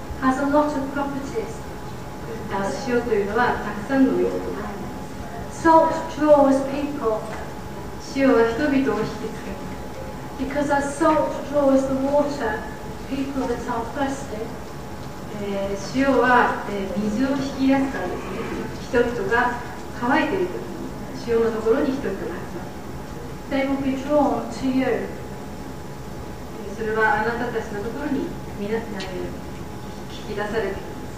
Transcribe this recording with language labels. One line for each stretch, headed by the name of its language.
Japanese: 塩というのはたくさんの意味があります
English: 。 Salt draws people.
Japanese: 塩は人々を引きつけます。
English: Because as salt draws the water, people that are thirsty.
Japanese: 塩は水を引き出すからですね。人々が乾いているときに塩のところに人々が集まる。
English: They will be drawn to you.
Japanese: それはあなたたちのところに皆さん引き出されています